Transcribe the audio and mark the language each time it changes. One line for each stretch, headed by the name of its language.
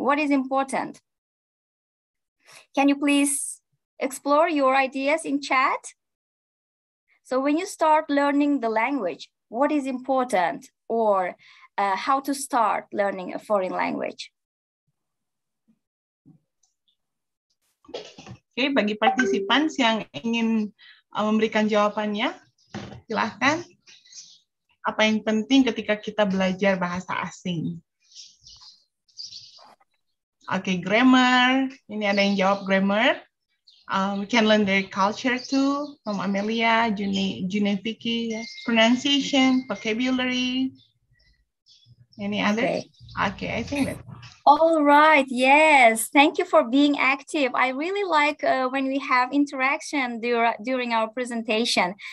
English: What is important? Can you please explore your ideas in chat? So when you start learning the language, what is important, or how to start learning a foreign language?
Indonesian: Okay, bagi partisipan yang ingin memberikan jawabannya, silakan. Apa yang penting ketika kita belajar bahasa asing? Okay, grammar. Ini ada yang jawab grammar.
English: We can learn their culture too from Amelia, June Vicky. Pronunciation, vocabulary. Any other? Okay, I think that. All right, yes. Thank you for being active. I really like when we have interaction during our presentation.